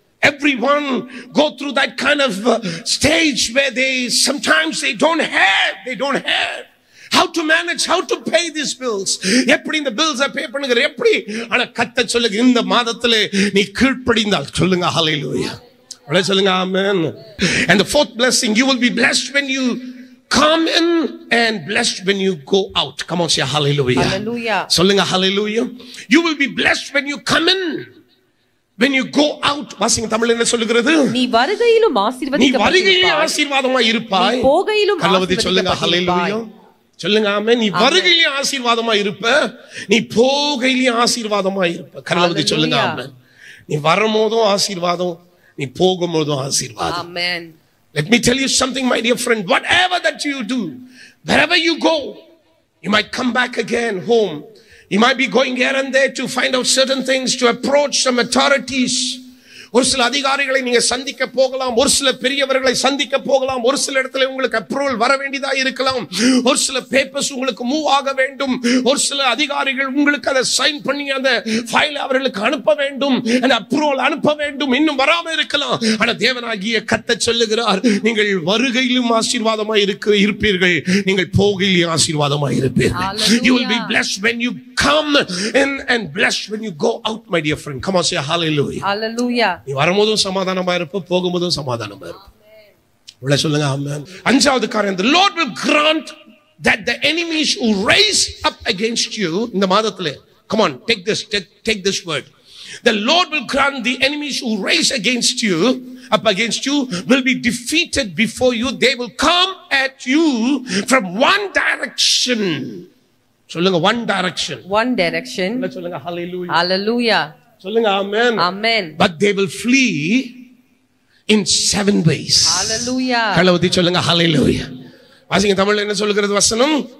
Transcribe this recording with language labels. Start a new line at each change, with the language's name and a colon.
English: Everyone go through that kind of stage where sometimes they don't have. How to manage, how to pay these bills?
Tamil: எப்படி இந்த bills பே பண்ணுகிற? எப்படி? ஆனா கர்த்தர் சொல்லுங்க, இந்த மாதத்துல நீ கீழ்ப்படிந்தால் சொல்லுங்க ஹல்லேலூயா சொல்லுங்க ஆமென்.
English: And the fourth blessing, you will be blessed when you come in and blessed when you go out. Come on, say hallelujah.
Tamil: சொல்லுங்க ஹல்லேலூயா.
English: You will be blessed when you come in. When you go out,
Tamil: வாசிங்க தமிழ்ல என்ன சொல்லுகிறது? நீ வருகையிலும் ஆசீர்வதிக்கப்படுவாய், நீ வருகையிலும் ஆசீர்வாதமா இருப்பாய், நீ போகையிலும் ஆசீர்வதிக்கப்படுவாய். சொல்லுங்க ஆமென். நீ வருகையிலும் ஆசீர்வாதமா இருப்ப, நீ போகையிலும் ஆசீர்வாதமா இருப்ப. கர்த்தர் சொல்லுங்க ஆமென். நீ வரும்போதும் ஆசீர்வாதம், நீ போகும்போதும் ஆசீர்வாதம். ஆமென்.
English: Let me tell you something, my dear friend. Whatever that you do, wherever you go, you might come back again home. You might be going here and there to find out certain things, to approach some authorities.
Tamil: ஒரு சில அதிகாரிகளை நீங்க சந்திக்க போகலாம், ஒரு சில பெரியவர்களை சந்திக்க போகலாம், ஒரு சில இடத்துல உங்களுக்கு அப்ரூவல் வர வேண்டியதா இருக்கலாம், ஒரு சில பேப்பர்ஸ் உங்களுக்கு மூவ் ஆக வேண்டும், ஒரு சில அதிகாரிகள் உங்களுக்கு அதை சைன் பண்ணி அந்த ஃபைல் அவர்களுக்கு அனுப்ப வேண்டும், அந்த அப்ரூவல் அனுப்ப வேண்டும், இன்னும் வராம இருக்கலாம். ஆனா தேவனாகிய கர்த்தர் சொல்லுகிறார், நீங்கள் வருகையிலும் ஆசீர்வாதமா இருப்பீர்கள், நீங்கள் போகையிலும் ஆசீர்வாதமா இருப்பீர்கள்.
English: You will be blessed when you come in and blessed when you go out, my dear friend. Come on, say hallelujah. Hallelujah.
Tamil: நீ வரும்போதும் சமாதானமா இருப்ப, போகும்போதும் சமாதானமா இருப்ப. உள்ள சொல்லுங்க ஆமென். அஞ்சாவது காரியம்,
English: the Lord will grant that the enemies who rise up against you
Tamil: இந்த மாதத்திலே,
English: come on, take this word, the Lord will grant the enemies who rise against you up against you will be defeated before you. They will come at you from one direction.
Tamil: சொல்லுங்க
English: one direction.
Tamil: உள்ள சொல்லுங்க hallelujah.
English: Hallelujah.
Tamil: சொல்லுங்க ஆமென். ஆமென்.
English: But they will flee in 7 ways. Hallelujah.
Tamil: கலவதி சொல்லுங்க hallelujah. வாசிங்க தமிழ்ல என்ன சொல்கிறது வசனம்?